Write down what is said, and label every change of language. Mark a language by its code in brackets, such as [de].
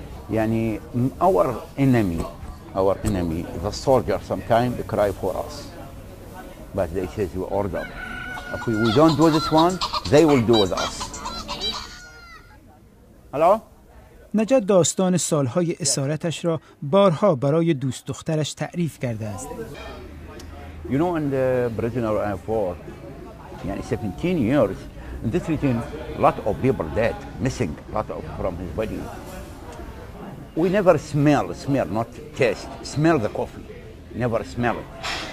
[en] یعنی our enemy, the soldier sometimes they cry for us. But they say we order. If we don't do this one, they will do with us. Hello? [fa] نجد داستان سالهای اسارتش را بارها برای دوست دخترش تعریف کرده است. [en] You know, in the prisoner I am for, yani 17 years, in this region, lot of people dead, missing, lot of from his body. We never smell, not taste, smell the coffee, never smell it.